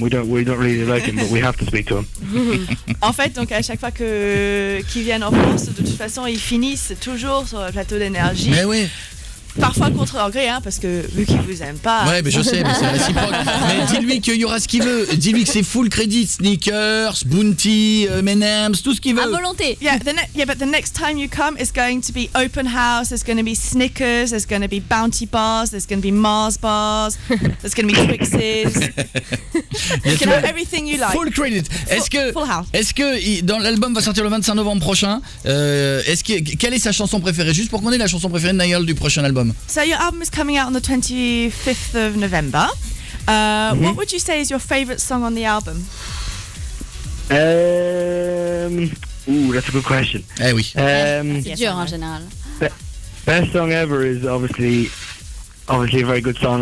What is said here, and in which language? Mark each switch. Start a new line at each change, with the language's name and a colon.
English: We don't really like him, but we have to speak to him.
French: En fait, donc à chaque fois qu'ils viennent en France, de toute façon, ils finissent toujours sur le plateau d'énergie. Mais oui. Parfois contre leur gré, hein, parce que vu qu'ils vous aiment pas. Ouais, mais je sais, mais c'est réciproque. Mais dis-lui qu'il y aura ce qu'il veut. Dis-lui que c'est
English: full credit,
French: Snickers, Bounty, M&M's, tout ce qu'il veut. À volonté.
English: But the next time you come, it's going to be open house. It's going to be Snickers. It's going to be Bounty bars. There's going to be Mars bars. There's going to be Twixes. You can have everything you like. Full credit.
French: Est-ce que dans l'album va sortir le 25 novembre prochain, quelle est sa chanson préférée? Juste pour qu'on ait la chanson préférée de Niall du prochain album.
English: So your album is coming out on the 25th of November. What would you say is your favorite song on the album? That's a good question.
French: Eh oui. C'est dur en général.
English: Best song ever is obviously a very good song.